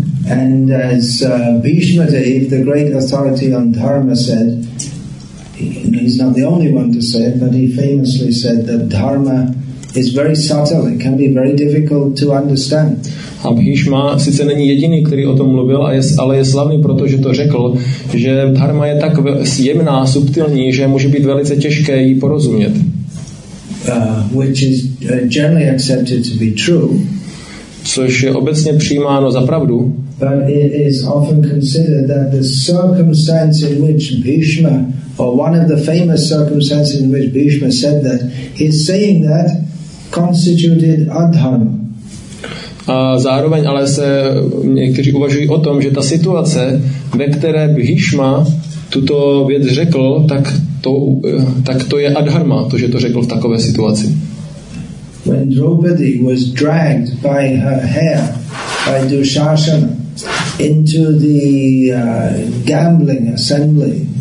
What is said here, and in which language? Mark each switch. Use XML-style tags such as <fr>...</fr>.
<en>And as Bhishma Dev, the great authority on dharma, said, he's not the only one to say it, but he famously said that dharma is very subtle, it can be very difficult to understand.</en> <cs>A Bhishma sice není jediný, který o tom mluvil, ale je slavný, protože to řekl, že dharma je tak jemná, subtilní, že může být velice těžké jí porozumět.</cs> <en>Which is generally accepted to be true.</en> <cs>Což je obecně přijímáno za pravdu.</cs> <en>But it is often considered that the circumstance in which Bhishma, or one of the famous circumstances in which Bhishma said that, his saying that constituted adharma.</en> <cs>A zároveň ale se někteří uvažují o tom, že ta situace, ve které Bhishma tuto věc řekl, tak to je adharma, to, že to řekl v takové situaci.</cs> <en>When Draupadi was dragged by her hair by Dushasana into the gambling assembly.</en>